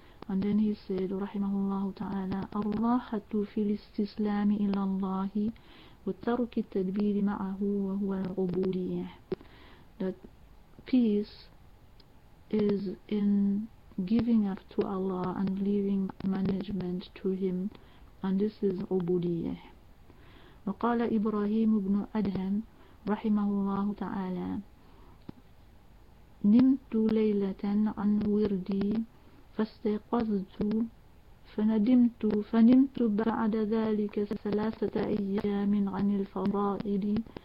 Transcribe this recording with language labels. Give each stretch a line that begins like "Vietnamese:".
English: And then he said,
Arabic: رحمه الله تعالى, الراحة في الاستسلام إلى الله وترك التدبير معه وهو العبودية.
English: That peace is in giving up to Allah and leaving management to him, and this is عبودية.
Arabic: وقال إبراهيم بن أدهم رحمه الله تعالى, نمت ليلة عن وردي فاستيقظت فنمت بعد ذلك 3 أيام عن الفضائل.